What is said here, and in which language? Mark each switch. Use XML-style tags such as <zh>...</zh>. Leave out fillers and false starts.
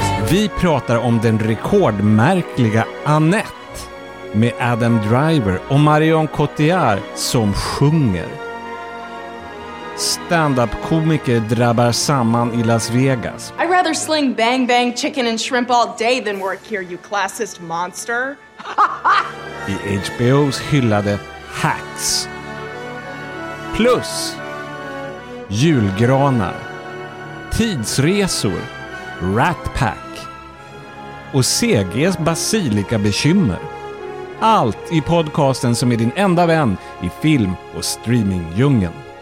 <sv>Vi pratar om den rekordmärkliga Annette med Adam Driver och Marion Cotillard som sjunger. Stand-up-komiker drabbar samman i Las Vegas.</sv> <en>I'd rather sling bang bang chicken and shrimp all day than work here, you classist monster.</en> <sv>I HBO's hyllade Hacks. Plus julgranar, tidsresor, Rat Pack och CG's basilikabekymmer. Allt i podcasten som är din enda vän i film- och streamingdjungeln.</sv>